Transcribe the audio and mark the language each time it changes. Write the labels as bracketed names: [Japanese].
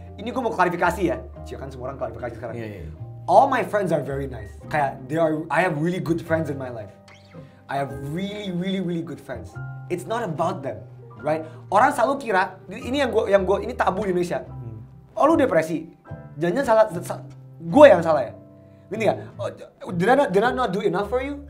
[Indonesian] Ini gua mau klarifikasi ya. Cik, kan semua orang klarifikasi sekarang. Yeah, yeah. [English] All my friends are very nice. Kayak, I have really good friends in my life. I have really, really, really good friends. It's not about them. Right? [Indonesian] Orang selalu kira, ini yang gua, ini tabu di Indonesia. Oh lu depresi. Jangan-jangan gua yang salah ya. Ini ya, [English] did I not do enough for you?